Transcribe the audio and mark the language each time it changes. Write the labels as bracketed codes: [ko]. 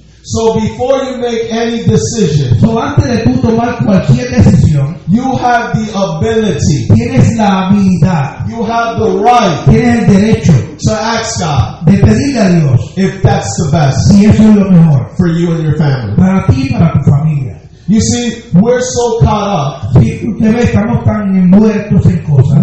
[en] So before you make any decision, [es] so antes de tú tomar cualquier decisión, [en] you have the ability. [es] Tienes la habilidad. [en] You have the right. [es] Tienes el derecho. [en] To ask God. [es] De pedirle a Dios. [en] If that's the best. [es] Si eso es lo mejor. [en] For you and your family. [es] Para ti y para tu familia. [en] You see, we're so caught up. [es] Si usted ve, estamos tan envueltos en cosas.